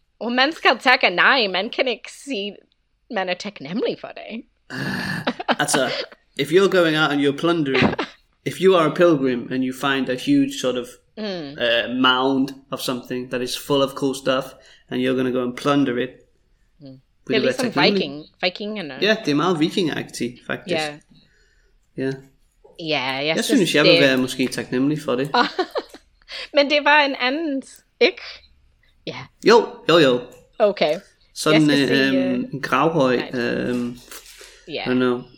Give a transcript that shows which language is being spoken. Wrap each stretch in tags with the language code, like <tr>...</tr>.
<da>Og man skal takke nej, man kan ikke sige, man er taknemmelig for det.</da> <en>Altså, if you're going out and you're plundering, if you are a pilgrim and you find a huge sort of mound of something that is full of cool stuff, and you're going to go and plunder it,</en> <da>Det er ligesom viking. Ja, det er meget viking-agtigt, faktisk. Ja. Jeg synes, jeg vil være måske taknemmelig for det. Men det var en anden, ikke?</da> <en>Yeah.</en> <da>Jo. Okay. Sådan en gravhøj.</da> <en>Right. I don't know.</en>